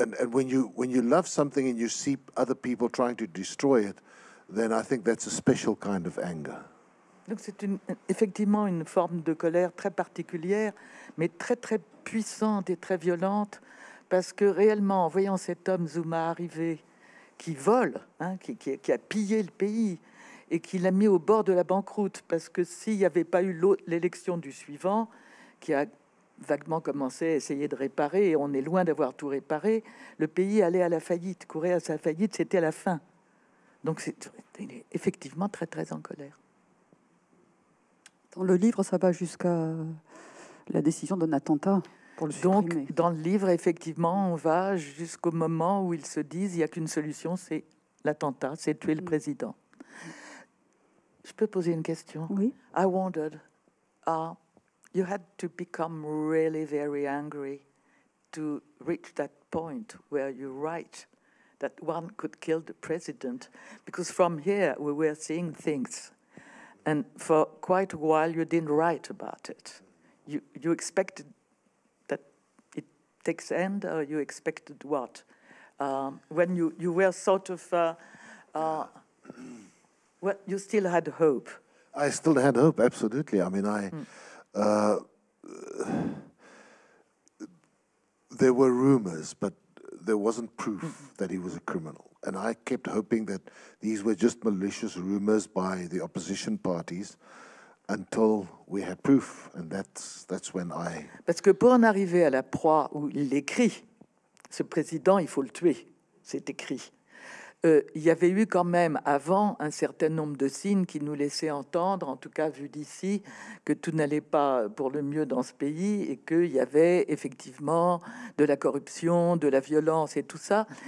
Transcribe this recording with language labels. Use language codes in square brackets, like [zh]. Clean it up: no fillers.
[en] When you love something and you see other people trying to destroy it, then I think that's a special kind of anger. [fr] Donc c'est effectivement une forme de colère très particulière, mais très très puissante et très violente, parce que réellement, en voyant cet homme Zuma arriver, qui vole, hein, qui a pillé le pays, et qui l'a mis au bord de la banqueroute, parce que s'il n'y avait pas eu l'élection du suivant, qui a vaguement commencé à essayer de réparer, et on est loin d'avoir tout réparé, le pays allait à la faillite, courait à sa faillite, c'était la fin. Donc c'est, il est effectivement très très en colère. Dans le livre, ça va jusqu'à la décision d'un attentat pour le supprimer. Donc dans le livre, effectivement, on va jusqu'au moment où ils se disent il n'y a qu'une solution, c'est l'attentat, c'est tuer le président. Je peux poser une question? Oui. [en] I wondered, you had to become really very angry to reach that point where you write that one could kill the president, because from here we were seeing things, and for quite a while you didn't write about it. You expected that it takes end, or you expected what? When you were sort of, well, you still had hope. I still had hope, absolutely. I mean, there were rumors, but there wasn't proof that he was a criminal. And I kept hoping that these were just malicious rumors by the opposition parties until we had proof. And that's when I... [fr] Parce que pour en arriver à la proie où il écrit, ce président, il faut le tuer, c'est écrit. Il y avait eu quand même avant un certain nombre de signes qui nous laissaient entendre, en tout cas vu d'ici, que tout n'allait pas pour le mieux dans ce pays et qu'il y avait effectivement de la corruption, de la violence et tout ça.